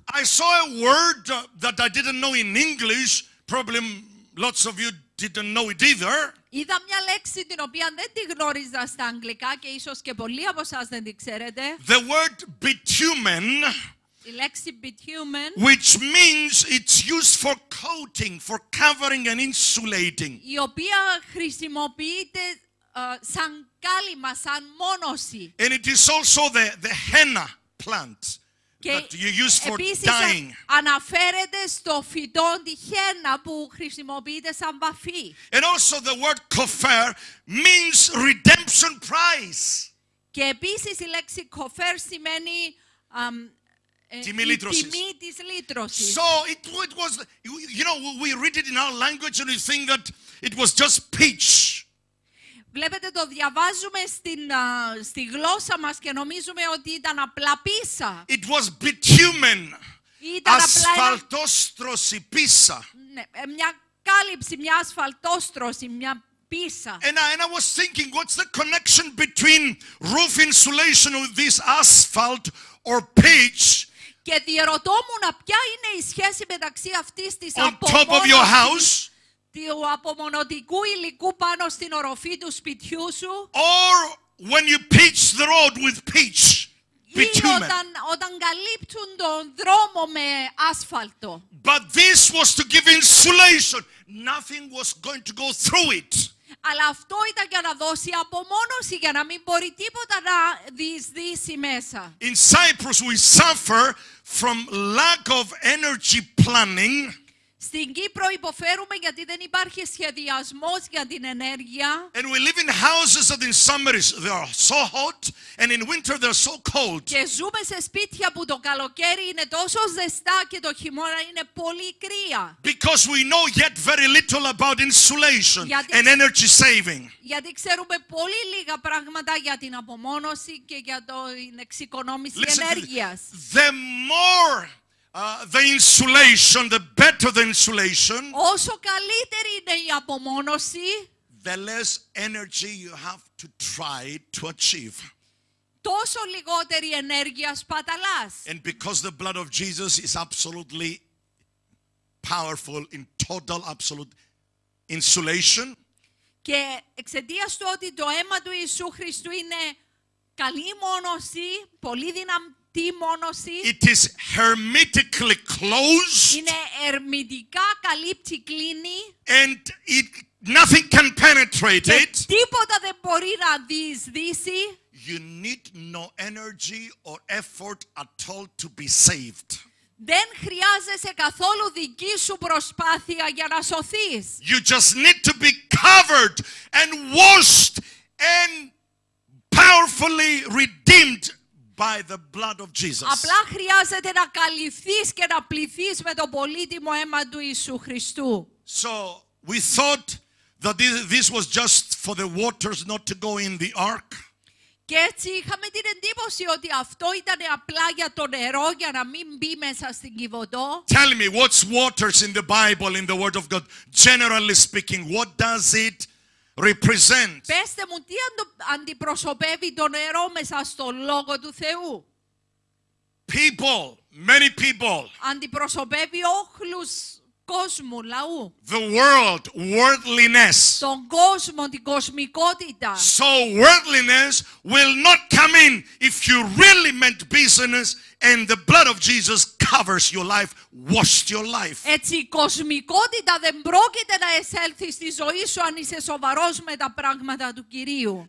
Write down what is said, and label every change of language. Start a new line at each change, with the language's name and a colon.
English: I saw a word that I didn't know in English. Probably lots of you didn't know it either.
Greek: Είδα μια λέξη την οποία δεν τη γνώριζα στα αγγλικά και ίσως και πολλοί από εσάς δεν την ξέρετε.
English: The word bitumen.
Greek: Η λέξη bitumen,
English: which means it's used for coating, for covering and insulating.
Greek: Η οποία χρησιμοποιείται σαν κάλυμα, σαν μόνωση.
English: And it is also the henna plant that you use for dyeing.
Greek: Αναφέρεται στο φυτό τη χένα που χρησιμοποιείται σαν βαφή.
English: And also the word kofer means redemption price.
Greek: Και επίσης η λέξη kofer σημαίνει τιμή λύτρωσης.
English: So it was, you know, we read it in our language and we think that it was just pitch.
Greek: Βλέπετε, το διαβάζουμε στη γλώσσα μας και νομίζουμε ότι ήταν απλά πίσα.
English: It was bitumen.
Greek: Ήταν απλά ασφαλτόστρωση, πίσα. Ναι, μια κάλυψη, μια ασφαλτόστρωση, μια πίσα.
English: And I was thinking, what's the connection between roof insulation with this asphalt or pitch?
Greek: Και διερωτόμουν, ποια είναι η σχέση μεταξύ αυτής της απομόνωσης του απομονωτικού υλικού πάνω στην οροφή του σπιτιού σου,
English: or when you pitch the road with pitch, bitumen.
Greek: Όταν καλύπτουν τον δρόμο με άσφαλτο.
English: But this was to give insulation. Nothing was going to go through it.
Greek: Αλλά αυτό ήταν για να δώσει απομόνωση, για να μην μπορεί τίποτα να διεισδύσει μέσα.
English: In Cyprus we suffer from lack of energy planning.
Greek: Στην Κύπρο υποφέρουμε γιατί δεν υπάρχει σχεδιασμός για την ενέργεια.
English: And we live in houses that in summer they are so hot and in winter they are so cold.
Greek: Και ζούμε σε σπίτια που το καλοκαίρι είναι τόσο ζεστά και το χειμώνα είναι πολύ κρύα.
English: Because we know yet very little about insulation and energy saving.
Greek: Γιατί ξέρουμε πολύ λίγα πράγματα για την απομόνωση και για την εξοικονόμηση ενέργειας.
English: The more the insulation, the better the insulation,
Greek: όσο καλύτερη είναι η απομόνωση,
English: the less energy you have to try to achieve.
Greek: Τόσο λιγότερη ενέργεια σπαταλάς.
English: And because the blood of Jesus is absolutely powerful in total absolute insulation.
Greek: Και εξαιτίας του ότι το αίμα του Ιησού Χριστού είναι καλή μόνωση, πολύ δυναμική.
English: It is hermetically closed.
Greek: Είναι ερμητικά καλύπτει, κλείνει.
English: And nothing can penetrate it.
Greek: Τίποτα δεν μπορεί να διεισδύσει.
English: You need no energy or effort at all to be saved.
Greek: Δεν χρειάζεσαι καθόλου δική σου προσπάθεια για να σωθείς.
English: You just need to be covered and washed and powerfully redeemed by the blood of Jesus.
Greek: Απλά χρειάζεται να καλυφθείς και να πληθείς με το πολύτιμο αίμα του Ιησού Χριστού.
English: So we thought that this was just for the waters not to go in the ark.
Greek: Και έτσι είχαμε την εντύπωση ότι αυτό ήταν απλά για το νερό, για να μην μπει μέσα στην κυβωτό.
English: Tell me, what's waters in the Bible, in the Word of God, generally speaking, what does it represent?
Greek: Πέστε μου, τι αντιπροσωπεύει το νερό μέσα στο λόγο του Θεού.
English: People, many people.
Greek: Αντιπροσωπεύει όχλους κόσμου, λαού.
English: The world, worldliness.
Greek: Τον κόσμο, την κοσμικότητα.
English: So worldliness will not come in if you really meant business and the blood of Jesus covers your life, washed your life.
Greek: Έτσι η κοσμικότητα δεν πρόκειται να εισέλθει στη ζωή σου αν είσαι σοβαρός με τα πράγματα του Κυρίου.